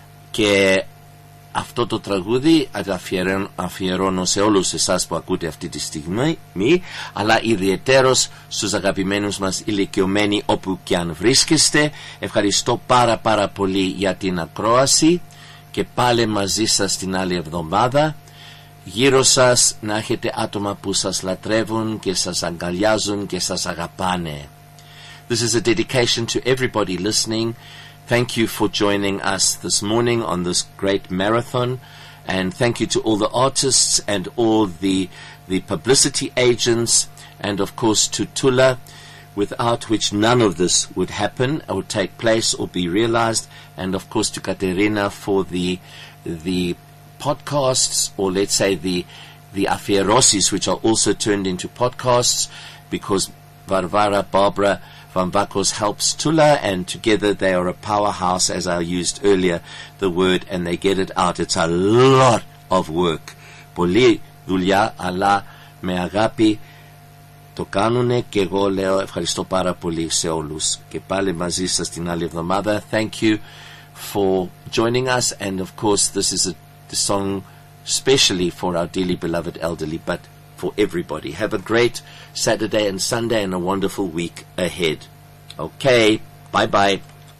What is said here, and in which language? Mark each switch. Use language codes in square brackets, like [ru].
[el] Και αυτό το τραγούδι αφιερώνω σε όλους εσάς που ακούτε αυτή τη στιγμή, αλλά ιδιαιτέρως στους αγαπημένους μας ηλικιωμένοι όπου και αν βρίσκεστε. Ευχαριστώ πάρα πάρα πολύ για την ακρόαση και πάλι μαζί σας την άλλη εβδομάδα. Γύρω σας να έχετε άτομα που σας λατρεύουν και σας αγκαλιάζουν και σας αγαπάνε. [en] This is a dedication to everybody listening. Thank you for joining us this morning on this great marathon, and thank you to all the artists and all the publicity agents, and of course to Tula, without which none of this would happen or take place or be realized, and of course to Katerina for the podcasts, or let's say the afierosis, which are also turned into podcasts, because Varvara, Barbara Van Vakos helps Tula, and together they are a powerhouse, as I used earlier, the word, and they get it out. It's a lot of work. [el] Πολύ δουλειά, αλλά με αγάπη το κάνουνε και εγώ λέω ευχαριστώ πάρα πολύ σε όλους. Και πάλι μαζί σας την άλλη εβδομάδα. [en] Thank you for joining us, and of course this is the song specially for our dearly beloved elderly, but for everybody. Have a great Saturday and Sunday and a wonderful week ahead. Okay, bye-bye.